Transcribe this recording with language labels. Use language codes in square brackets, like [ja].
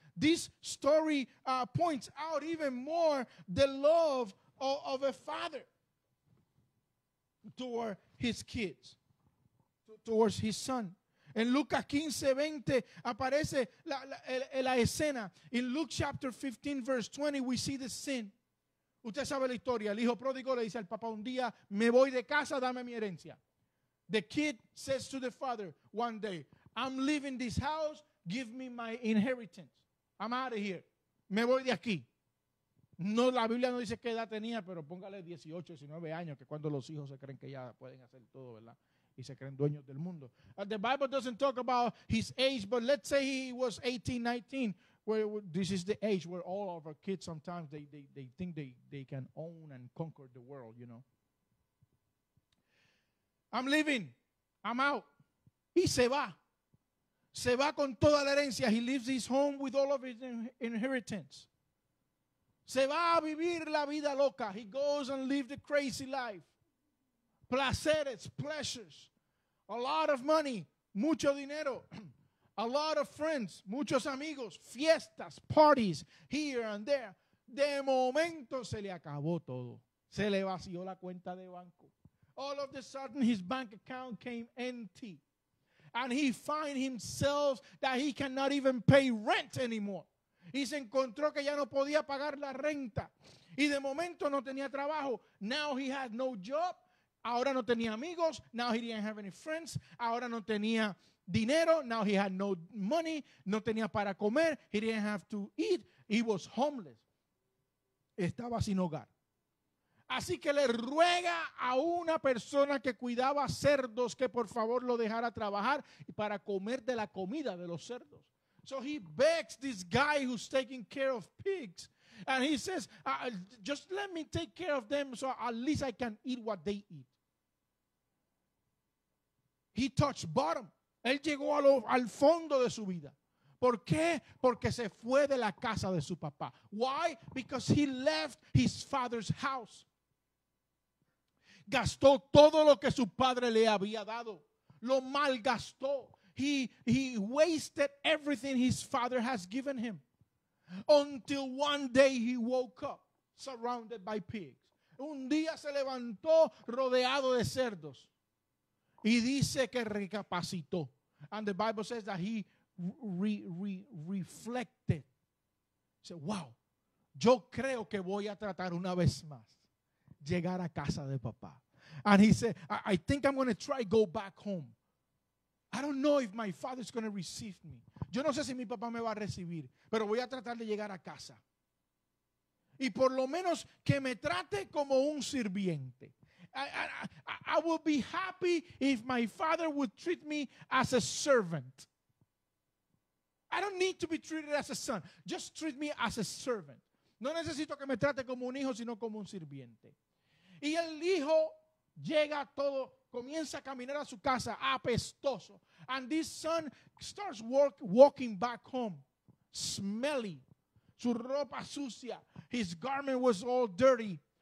[en] This story points out even more the love of a father toward his kids, towards his son. [es] En Lucas 15:20 aparece la escena. [en] In Luke chapter 15, verse 20, we see the scene. [es] Usted sabe la historia. El hijo pródigo le dice al papá un día, me voy de casa, dame mi herencia. [en] The kid says to the father one day, I'm leaving this house, give me my inheritance. I'm out of here. [es] Me voy de aquí. No, la Biblia no dice qué edad tenía, pero póngale 18, 19 años, que cuando los hijos se creen que ya pueden hacer todo, ¿verdad? Y se creen dueños del mundo. [en] The Bible doesn't talk about his age, but let's say he was 18, 19. This is the age where all of our kids sometimes they think they can own and conquer the world, you know. I'm leaving. I'm out. [es] Y se va. Se va con toda la herencia. [en] He leaves his home with all of his inheritance. [es] Se va a vivir la vida loca. [en] He goes and lives the crazy life. Placeres, pleasures. A lot of money. [es] Mucho dinero. [en] A lot of friends, [es] muchos amigos, [en] fiestas, parties, here and there. [es] De momento se le acabó todo. Se le vació la cuenta de banco. [en] All of a sudden his bank account came empty. And he find himself that he cannot even pay rent anymore. [es] Y se encontró que ya no podía pagar la renta. Y de momento no tenía trabajo. [en] Now he had no job. [es] Ahora no tenía amigos. [en] Now he didn't have any friends. [es] Ahora no tenía dinero. [en] Now he had no money. [es] No tenía para comer. [en] He didn't have to eat. He was homeless. [es] Estaba sin hogar. Así que le ruega a una persona que cuidaba cerdos que por favor lo dejara trabajar para comer de la comida de los cerdos. [en] So he begs this guy who's taking care of pigs. And he says, just let me take care of them so at least I can eat what they eat. He touched bottom. [es] Él llegó al fondo de su vida. ¿Por qué? Porque se fue de la casa de su papá. [en] Why? Because he left his father's house. [es] Gastó todo lo que su padre le había dado. Lo malgastó. [en] he wasted everything his father has given him. Until one day he woke up surrounded by pigs. [es] Un día se levantó rodeado de cerdos. Y dice que recapacitó. [en] And the Bible says that he reflected. Said, wow, [es] yo creo que voy a tratar una vez más llegar a casa de papá. [en] And he said, I think I'm going to try go back home. I don't know if my father is going to receive me. [es] Yo no sé si mi papá me va a recibir, pero voy a tratar de llegar a casa. Y por lo menos que me trate como un sirviente. [en] I would be happy if my father would treat me as a servant. I don't need to be treated as a son. Just treat me as a servant. [es] No necesito que me trate como un hijo, sino como un sirviente. Y el hijo llega todo, comienza a caminar a su casa apestoso. [en] And this son starts walking back home, smelly. [es] Su ropa sucia. [en] His garment was all dirty.